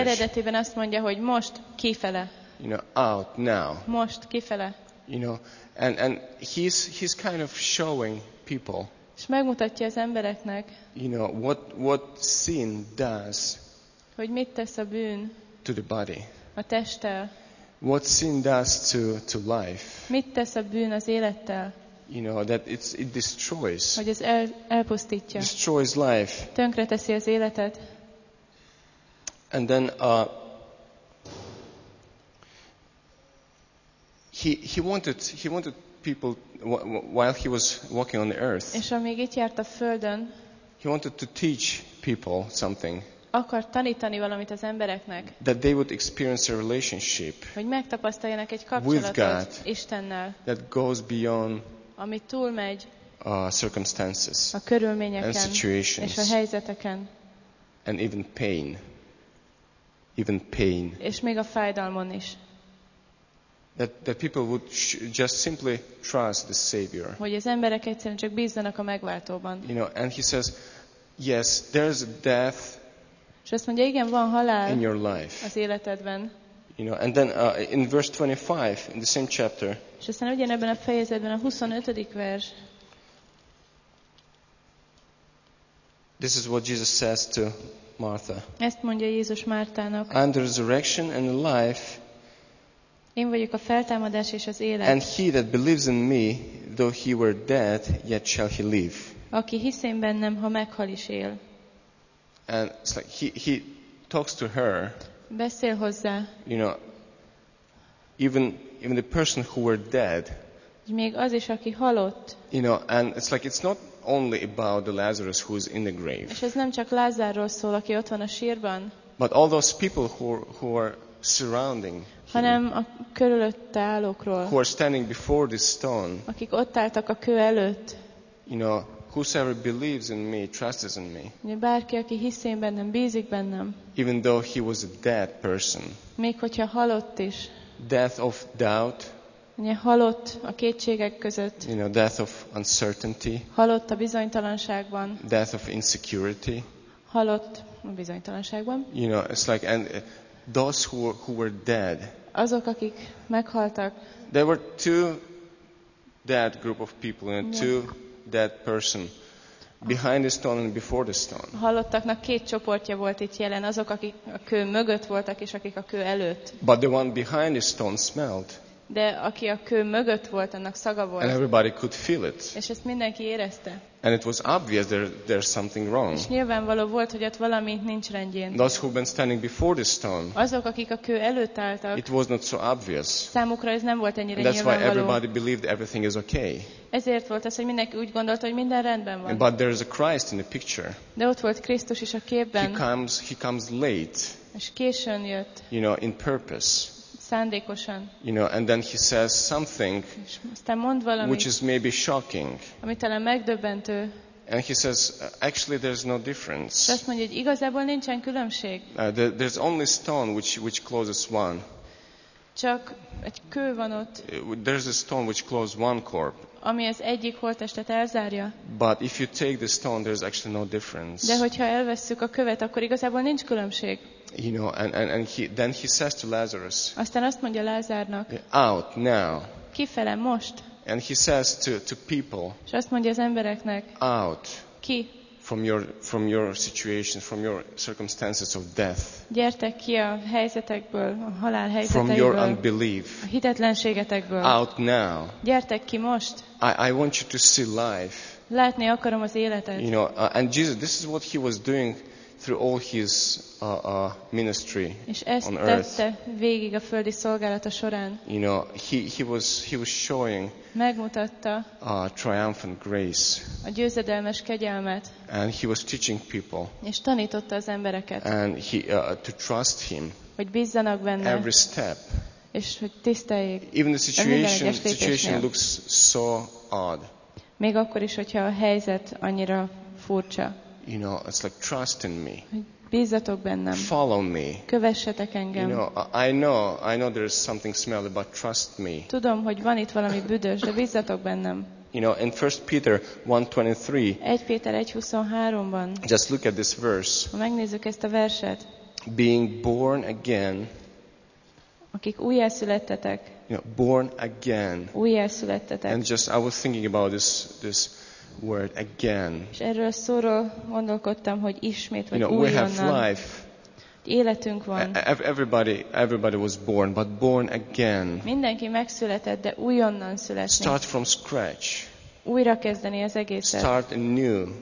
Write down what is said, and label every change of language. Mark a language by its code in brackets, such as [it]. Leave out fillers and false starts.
[hu] Az eredetiben azt mondja, hogy most kifele. [en] You know, out now. [hu] Most kifele. [en] You know, and he's kind of showing people. [hu] És megmutatja az embereknek. [en] You know what sin does. [hu] Hogy mit tesz a bűn. [en] To the body. [hu] A testtel. [en] What sin does to life. [hu] Mit tesz a bűn az élettel. [en] You know that it destroys. [hu] Hogy ez elpusztítja. [en] Destroys life. [hu] Tönkreteszi az életet. [en] And then he wanted people while he was walking on the earth. [hu] És amíg itt járt a földön. [en] He wanted to teach people something. [hu] Akar tanítani valamit az embereknek. [en] That they would experience a relationship. [hu] Hogy megtapasztaljanak egy kapcsolatot Istennel. [en] That goes beyond. [hu] Ami túlmegy [en] circumstances, [hu] a körülményeken [en] and situations, [hu] és a helyzeteken [en] and even pain [hu] és még a fájdalmon is [en] that people would just simply trust the Savior, [hu] hogy az emberek egyszerűen csak bízzanak a megváltóban. [en] You know, and he says yes, there's death, [hu] és azt mondja, igen, van halál [en] in your life, [hu] az életedben. [en] You know, and then in verse 25 in the same chapter. [hu] És aztán ugyanebben a fejezetben a 25. vers. [en] This is what Jesus says to Martha. [hu] Ezt mondja Jézus Mártának. [en] I am the resurrection and the life. [hu] Én vagyok a feltámadás és az élet. [en] And he that believes in me, though he were dead, yet shall he live. [hu] Aki hisz én bennem, ha meghal is él. [en] And it's like he talks to her. [hu] Beszél hozzá. [en] You know, even the person who were dead. [hu] Még az is, aki halott. [en] You know, and it's like it's not only about the Lazarus who's in the grave. [hu] És ez nem csak Lázárról szól, aki ott van a sírban. [en] But all those people who are surrounding. [hu] Hanem a körülötte állókról. [en] Who are standing before this stone. [hu] Akik ott álltak a kő előtt. [en] You know, whosoever believes in me, trusts in me. [hu] Bárki, aki hisz én bennem, bízik bennem. [en] Even though he was a dead person. [hu] Még hogyha halott is. [en] Death of doubt. [hu] Halott a kétségek között. [en] You know, death of uncertainty. [hu] Halott a bizonytalanságban. [en] Death of insecurity. [hu] Halott a bizonytalanságban. [en] You know, it's like and those who were dead. [hu] Azok, akik meghaltak. [en] There were two dead group of people and two dead person behind the stone and before the stone. [hu] Halottaknak két csoportja volt itt jelen, azok, akik a kő mögött voltak, és akik a kő előtt. [en] But the one behind the stone smelled. [hu] De aki a kő mögött volt, annak szaga volt. [en] And everybody could feel it. [hu] És ezt mindenki érezte. [en] And it was obvious there's something wrong. [hu] És nyilvánvaló volt, hogy ott valami nincs rendjén. [en] Those who've been standing before the stone. [hu] Azok, akik a kő előtt álltak. [en] It was not so obvious. [hu] Számukra ez nem volt ennyire nyilvánvaló. [en] That's why everybody believed everything is okay. [hu] Ezért volt az, hogy mindenki úgy gondolta, hogy minden rendben van. [en] But there is a Christ in the picture. [hu] De ott volt Krisztus is a képben. [en] He comes late. [hu] És későn jött. [en] You know, in purpose. [hu] Szándékosan. [en] You know, and then he says something, [hu] valamit, [en] which is maybe shocking. [hu] Ami talán megdöbbentő. [en] And he says, actually, there's no difference. [hu] És azt mondja, hogy igazából nincsen különbség. [en] There's only stone which closes one. [hu] Csak egy kő van ott. [en] There's a stone which closes one corpse. [hu] Ami az egyik holttestet elzárja. [en] But if you take the stone, there's actually no difference. [hu] De hogyha elvesszük a követ, akkor igazából nincs különbség. [en] You know, and he says to Lazarus. [hu] Aztán azt mondja Lázárnak. [en] Out now. [hu] Kifele most. [en] And he says to people. [hu] És azt mondja az embereknek. [en] Out. [hu] Ki. [en] From your situation, from your circumstances of death. [hu] Gyertek ki a helyzetekből, a halál helyzetekből. [en] From your unbelief. [hu] A hitetlenségetekből. [en] Out now. [hu] Gyertek ki most. [en] I want you to see life. [hu] Látni akarom az életet. [en] You know, and Jesus, this is what he was doing through all his ministry on earth. [hu] És ezt tette végig a földi szolgálata során. [en] You know, he was showing. [hu] Megmutatta. [en] A triumphant grace. [hu] A győzedelmes kegyelmet. [en] And he was teaching people. [hu] És tanította az embereket. [en] And he to trust him. [hu] Hogy bízzanak benne. [en] Every step. [hu] És hogy tiszteljék. [en] Even the situation looks so odd. [hu] Még akkor is, hogyha a helyzet annyira furcsa. [en] You know, it's like trust in me. [hu] Bízzatok bennem. [en] Follow me. [hu] Kövessetek engem. [en] You know, I know there is something smelly, but trust me. [hu] Tudom, hogy van itt valami büdös, de bízzatok bennem. [en] You know, in 1 Peter 1:23. [hu] 1 Péter 1:23-ban. [en] Just look at this verse. [hu] Megnézzük ezt a verset. [en] Being born again. [hu] Akik újjászülettetek. [en] You know, born again. [hu] Újjászülettetek. [en] And just I was thinking about this word again. [hu] És erről a szóról gondolkodtam, hogy ismét vagy újonnan. [en] You know, we have life. [hu] Életünk van. [en] Everybody was born, but born again. [hu] Mindenki megszületett, de újonnan születni. [en] Start from scratch. [hu] Újra kezdeni az egészet. [en] Start anew.